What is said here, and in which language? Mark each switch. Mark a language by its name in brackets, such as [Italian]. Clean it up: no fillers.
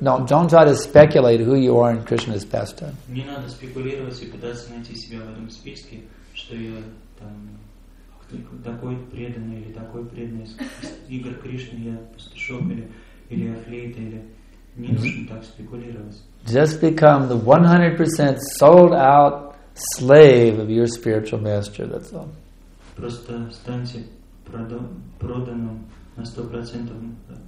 [English] No, don't try to speculate who you are in Krishna's pastime. [Russian] Не надо спекулировать и пытаться найти себя в этом списке, что я там такой преданный или такой преданный игр Кришны, я пастушок или флейта, или не нужно так спекулировать. [English] Just become the 100% sold out slave of your spiritual master, that's all. [Russian] Просто станьте проданным на 100%.